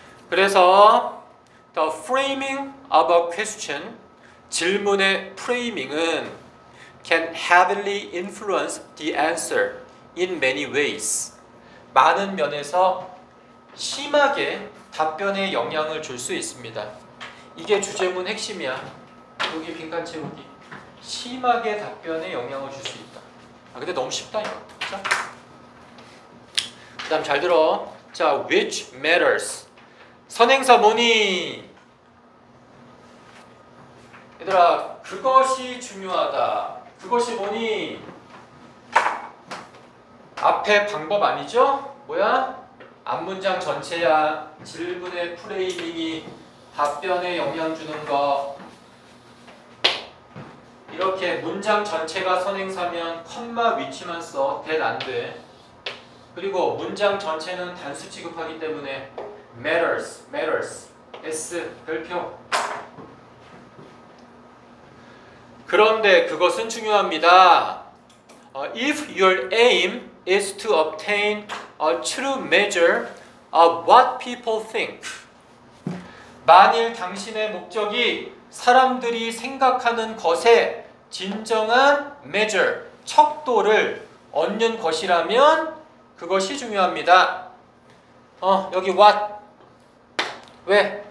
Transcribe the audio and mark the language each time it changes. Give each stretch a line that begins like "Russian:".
Korean: 그래서
English: the framing of a question,
Korean: 질문의 프레이밍은
English: can heavily influence the answer in many ways.
Korean: 많은 면에서 심하게 답변에 영향을 줄 수 있습니다. 이게 주제문 핵심이야. 여기 빈칸 채우기. 심하게 답변에 영향을 줄 수 있다. 아 근데 너무 쉽다 이거. 자. 그다음 잘 들어. 자,
English: which matters.
Korean: 선행사 뭐니? 얘들아, 그것이 중요하다. 그것이 뭐니? 앞에 방법 아니죠? 뭐야? 앞 문장 전체야. 질문의 프레이밍이 답변에 영향 주는 거. 이렇게 문장 전체가 선행사면 콤마 위치만 써. 됐 안 돼. 그리고 문장 전체는 단수 취급하기 때문에 matters, matters, s, 별표. 그런데 그것은 중요합니다.
English: If your aim is to obtain a true measure of what people think.
Korean: 만일 당신의 목적이 사람들이 생각하는 것에 진정한 measure, 척도를 얻는 것이라면 그것이 중요합니다. 여기 what? 왜?